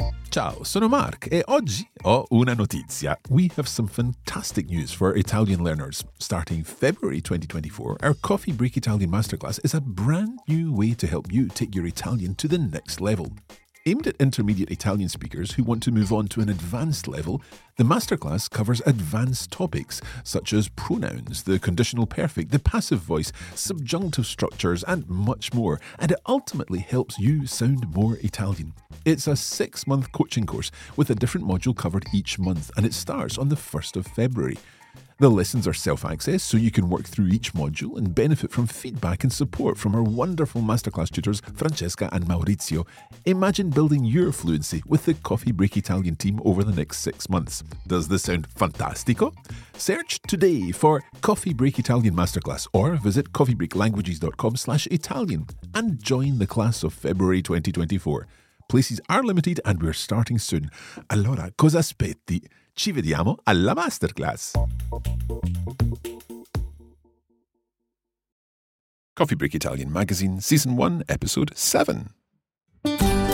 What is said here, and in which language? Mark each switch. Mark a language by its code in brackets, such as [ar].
[it] Ciao, sono Mark e oggi ho una notizia. [en] We have some fantastic news for Italian learners. Starting February 2024, our Coffee Break Italian Masterclass is a brand new way to help you take your Italian to the next level. Aimed at intermediate Italian speakers who want to move on to an advanced level, the masterclass covers advanced topics such as pronouns, the conditional perfect, the passive voice, subjunctive structures, and much more, and it ultimately helps you sound more Italian. It's a six-month coaching course with a different module covered each month, and it starts on the 1st of February. The lessons are self-access, so you can work through each module and benefit from feedback and support from our wonderful masterclass tutors, Francesca and Maurizio. Imagine building your fluency with the Coffee Break Italian team over the next 6 months. Does this sound fantastico? Search today for Coffee Break Italian Masterclass or visit coffeebreaklanguages.com/Italian and join the class of February 2024. Places are limited and we're starting soon. [it] Allora, cosa aspetti? Ci vediamo alla masterclass. Coffee Break Italian Magazine, Season 1, Episode 7.